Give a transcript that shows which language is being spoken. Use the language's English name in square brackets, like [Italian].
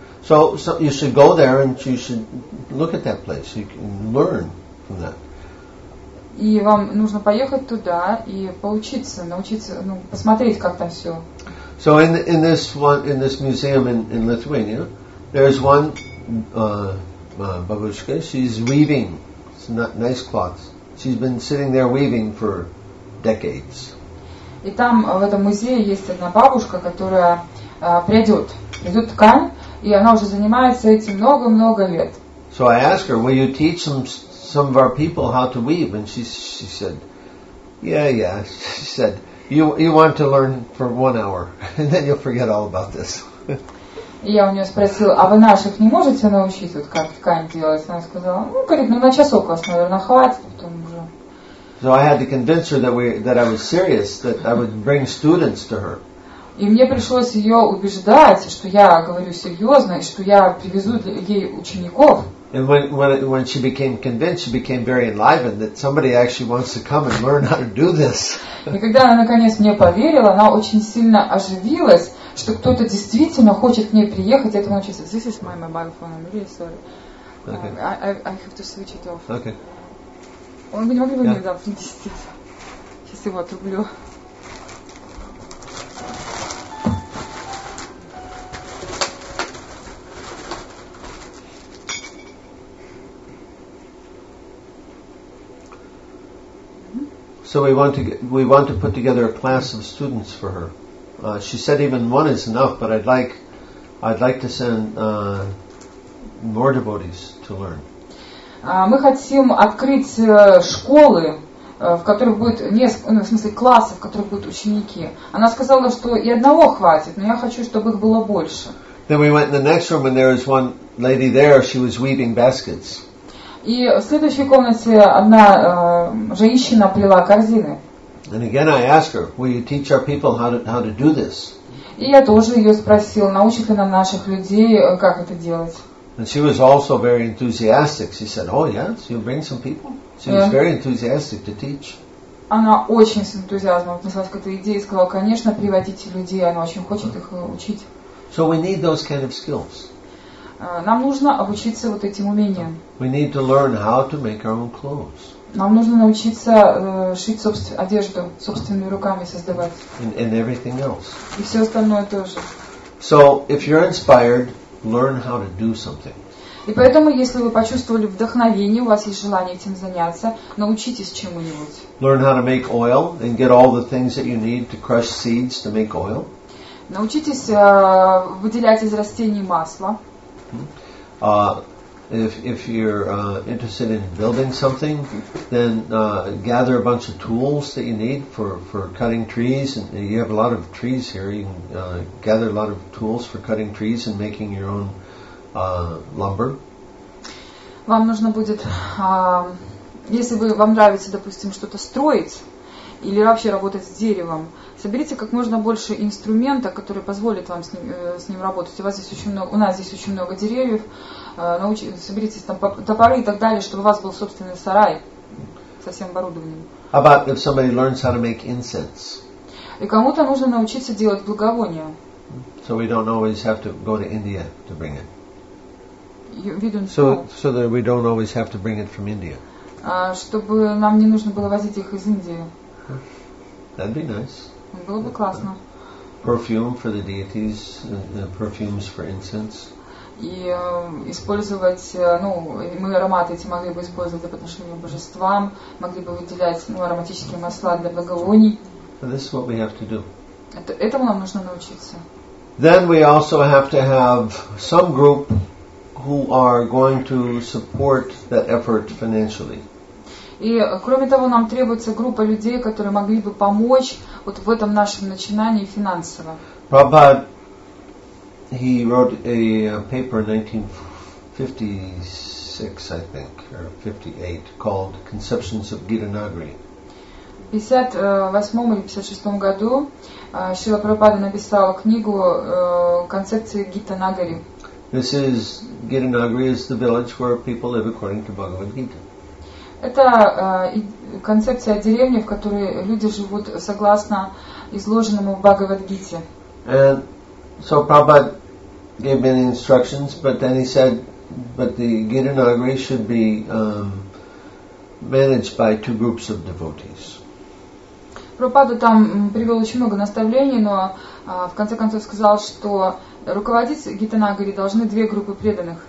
[English] So you should go there and you should look at that place. You can learn from that. [Russian] И вам нужно поехать туда и поучиться, научиться, ну, посмотреть, как там все. [English] So in this one, in this museum in Lithuania, there is one бабушка, she's weaving. It's not nice cloths. She's been sitting there weaving for decades. [Russian] И там в этом музее есть одна бабушка, которая прядет ткань, и она уже занимается этим много-много лет. [English] So I asked her, will you teach some of our people how to weave? And she said, yeah. She said, you want to learn for 1 hour, and then you'll forget all about this. [Russian] И я у нее спросил, а вы наших не можете научить, вот как ткань делать? Она сказала, ну, говорит, ну, на часок вас, наверное, хватит, потом уже. [English] So I had to convince her that I was serious, that I would bring students to her. [Russian] И мне пришлось ее убеждать, что я говорю серьезно, и что я привезу ей учеников. [English] And when she became convinced, she became very enlivened that somebody actually wants to come and learn how to do this. [Russian] И когда она наконец мне поверила, она очень сильно оживилась, что кто-то действительно хочет к ней приехать и этому научиться. [English] This is my mobile phone. I'm really sorry. Okay. I have to switch it off. Okay. [Russian] Он бы не могли бы мне дать 50. Сейчас его отрублю. [English] So we want to put together a class of students for her. She said even one is enough, but I'd like to send more devotees to learn. [Russian] Мы хотим открыть школы, в которых будет несколько, в смысле классов, в которых будут ученики. Она сказала, что и одного хватит, но я хочу, чтобы их было больше. [English] Then we went in the next room, and there was one lady there. She was weaving baskets. [Russian] И в следующей комнате одна женщина плела корзины. [English] And again I ask her, will you teach our people how to do this? [Russian] И я тоже ее спросил, научит ли она наших людей, как это делать. [English] And she was also very enthusiastic. She said, oh yes, you bring some people? She was very enthusiastic to teach. [Russian] Она очень с энтузиазмом отнеслась к этой идее и сказала, конечно, приводите людей, она очень хочет их учить. [English] So we need those kind of skills. [Russian] Нам нужно обучиться вот этим умениям. [English] We need to learn how to make our own clothes. [Russian] Нам нужно научиться шить одежду собственными руками создавать. [English] And everything else. [Russian] И все остальное тоже. [English] So, if you're inspired, learn how to do something. [Russian] И поэтому, если вы почувствовали вдохновение, у вас есть желание этим заняться, научитесь чему-нибудь. [English] Learn how to make oil and get all the things that you need to crush seeds to make oil. [Russian] Научитесь выделять из растений масло. [English] If you're interested in building something, then gather a bunch of tools that you need for cutting trees. And you have a lot of trees here. You can gather a lot of tools for cutting trees and making your own lumber. [Russian] Вам нужно будет, если вы вам нравится, допустим, что-то строить или вообще работать с деревом. Соберите как можно больше инструмента, который позволит вам с ним работать. У нас здесь очень много деревьев. Соберитесь там топоры и так далее, чтобы у вас был собственный сарай со всем оборудованием. [English] How about if somebody learns how to make incense? [Russian] И кому-то нужно научиться делать благовония. [English] So we don't always have to go to India to bring it. We don't. So that we don't always have to bring it from India. [Russian] Чтобы нам не нужно было возить их из Индии. [English] That'd be nice. [Russian] Было бы классно. [English] Perfume for the deities, the perfumes for incense. [Russian] и использовать, ну, мы ароматы эти могли бы использовать по отношению к божествам, могли бы выделять, ну, ароматические масла для благовоний. [English] This is what we have to do. [Russian] Этому нам нужно научиться. [English] Then we also have to have some group who are going to support that effort financially. [Russian] И кроме того, нам требуется группа людей, которые могли бы помочь вот в этом нашем начинании финансово. [English] Prabhupada, he wrote a paper in 1956, I think, or 58, called Conceptions of Gita Nagari. [Russian] В 58 или 56 году Шрила Прабхупада написала книгу «Концепции Гита Нагари». [English] This is Gita Nagari is the village where people live according to Bhagavad Gita. [Russian] Это концепция деревни, в которой люди живут согласно изложенному в Бхагавад Гите. [English] And so Prabhupada gave many instructions, but then he said, but the Gita Nagari should be managed by two groups of devotees. [Russian] Прабхупада там привел очень много наставлений, но в конце концов сказал, что руководить Гита Нагари должны две группы преданных.